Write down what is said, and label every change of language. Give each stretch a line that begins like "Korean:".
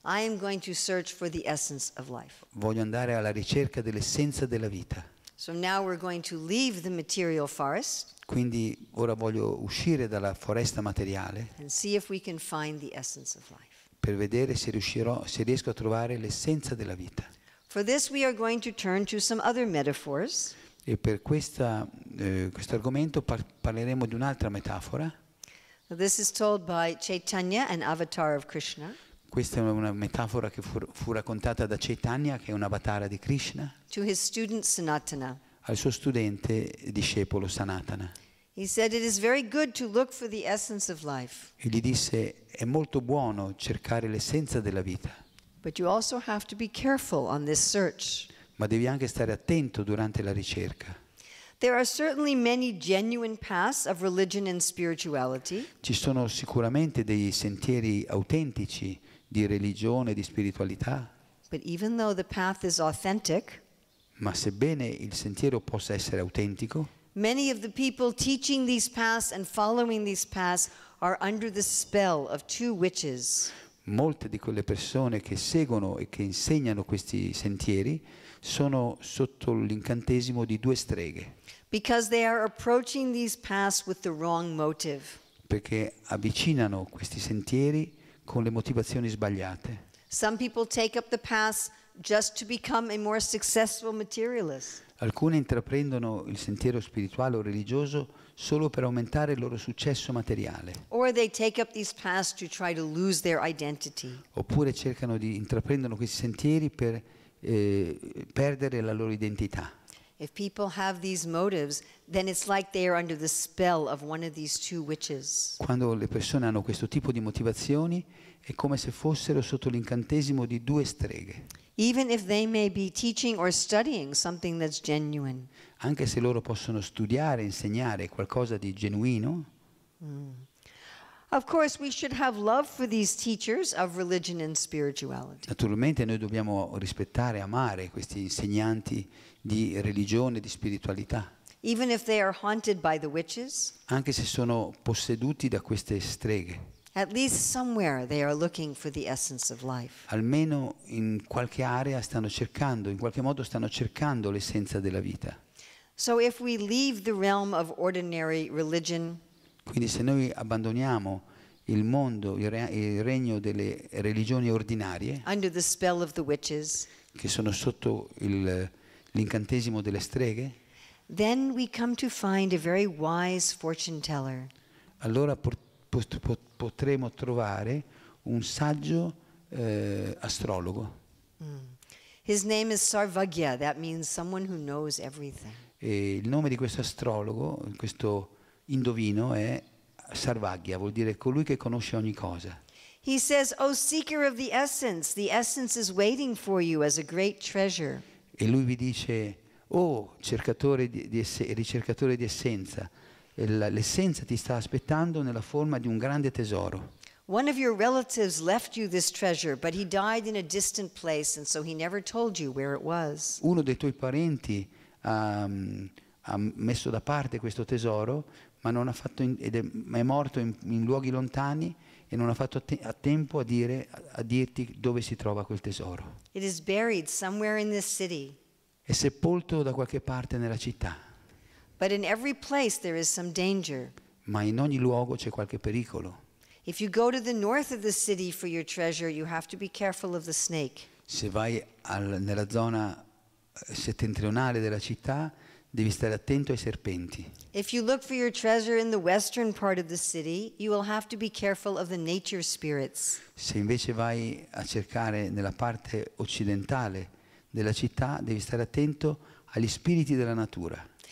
English: I am going to search for the essence of life.
Italian: Voglio andare alla ricerca dell'essenza della vita.
English: So now we're going to leave the material forest.
Italian: Quindi ora voglio uscire dalla foresta materiale.
English: And see if we can find the essence of life.
Italian: Per vedere se riesco a trovare l'essenza della vita.
English: For this we are going to turn to some other metaphors.
Italian: E per questo argomento parleremo di un'altra metafora.
English: This is told by Chaitanya, an avatar of Krishna.
Italian: Questa è una metafora che fu raccontata da Chaitanya, che è un avatar di Krishna.
English: To his student Sanatana.
Italian: Al suo studente discepolo Sanatana.
English: He said it is very good to look for the essence of life.
Italian: E gli disse è molto buono cercare l'essenza della vita.
English: But you also have to be careful on this search.
Italian: Ma devi anche stare attento durante la ricerca.
English: There are certainly many genuine paths of religion and spirituality.
Italian: Ci sono sicuramente dei sentieri autentici di religione e di spiritualità.
English: But even though the path is authentic,
Italian: ma sebbene il sentiero possa essere autentico,
English: many of the people teaching these paths and following these paths are under the spell of two witches.
Italian: molte di quelle persone che seguono e che insegnano questi sentieri sono sotto l'incantesimo di due streghe.
English: Because they are approaching these paths with the wrong motive.
Italian: Perché avvicinano questi sentieri con le motivazioni sbagliate.
English: Some people take up the paths just to become a more successful materialist.
Italian: Alcuni intraprendono il sentiero spirituale o religioso solo per aumentare il loro successo materiale.
English: Or they take up these paths to try to lose their identity.
Italian: Oppure cercano di intraprendono questi sentieri per perdere la loro identità.
English: If people have these motives, then it's like they are under the spell of one of these two witches.
Italian: Quando le persone hanno questo tipo di motivazioni, è come se fossero sotto l'incantesimo di due streghe.
English: Even if they may be teaching or studying something that's genuine.
Italian: Anche se loro possono studiare, insegnare qualcosa di genuino.
English: Of course, we should have love for these teachers of religion and spirituality.
Italian: Naturalmente, noi dobbiamo rispettare, amare questi insegnanti di religione, di spiritualità.
English: Even if they are haunted by the witches.
Italian: Anche se sono posseduti da queste streghe.
English: At least somewhere they are looking for the essence of life.
Italian: Almeno in qualche area stanno cercando, in qualche modo stanno cercando l'essenza della vita.
English: So if we leave the realm of ordinary religion.
Italian: Quindi se noi abbandoniamo il mondo, il regno delle religioni ordinarie,
English: under the spell of the witches,
Italian: che sono sotto l'incantesimo delle streghe,
English: then we come to find a very wise fortune teller.
Italian: Allora potremo trovare un saggio astrologo.
English: His name is Sarvagya, that means someone who knows everything.
Italian: E il nome di questo astrologo, questo indovino, è Sarvagya, vuol dire colui che conosce ogni cosa.
English: He says, "O seeker of the essence is waiting for you as a great treasure."
Italian: E lui vi dice, "Oh, cercatore ricercatore di essenza, l'essenza ti sta aspettando nella forma di un grande tesoro."
English: One of your relatives left you this treasure, but he died in a distant place, and so he never told you where it was.
Italian: Uno dei tuoi parenti ha messo da parte questo tesoro, ma non ha fatto è morto in luoghi lontani e non ha fatto a tempo a dirti dove si trova quel tesoro.
English: It is buried somewhere in this city.
Italian: È sepolto da qualche parte nella città.
English: But in every place there is some danger.
Italian: Ma in ogni luogo c'è qualche pericolo.
English: If you go to the north of the city for your treasure, you have to be careful of the snake.
Italian: Se vai nella zona settentrionale della città, devi stare attento ai serpenti.
English: If you look for your treasure in the western part of the city, you will have to be careful of the nature spirits.
Italian: Se invece vai a cercare nella parte occidentale della città, devi stare attento agli spiriti della natura.